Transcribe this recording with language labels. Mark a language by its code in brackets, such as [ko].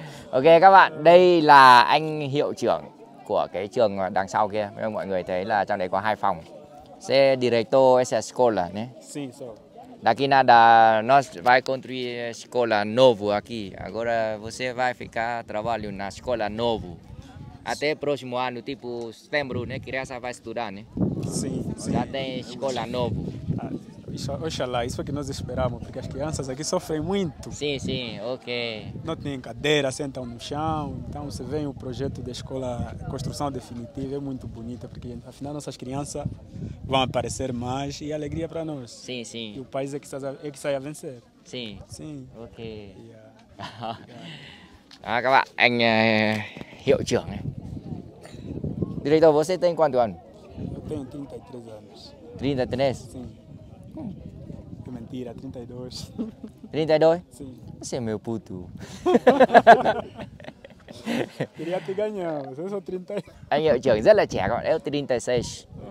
[vi] Ok các bạn, đây là anh hiệu trưởng của cái trường đằng sau kia. Mọi người thấy là trong đấy có hai phòng. [pt] Se director es escola, né? Sim, sim. Daqui nada, nós vai construir escola novo aqui. Agora você vai ficar trabalhando na escola novo. Até próximo ano, tipo setembro, né? Criança vai estudar, né? Sim, sim. Já tem escola novo. Ah, oxalá, isso é o que nós esperamos, porque as crianças aqui sofrem muito. Sim, sim, ok. Não tem cadeira, sentam no chão. Então você vê o projeto da escola, construção definitiva, é muito bonita, porque afinal nossas crianças... vão aparecer mais e alegria para nós. Sim, sim. E o país é que sai a vencer. Sim. Sim. [en] Ok. Yeah. [vi] Các bạn, anh hiệu trưởng này. [pt] Diretor, você tem quantos anos? Eu tenho 33 anos. 33? Sim. Que mentira, 32. 32? Sim. Você é meu puto. Queria te ganhar, você é só 30. [vi] Anh hiệu trưởng rất là trẻ, các bạn. [pt] Eu 36.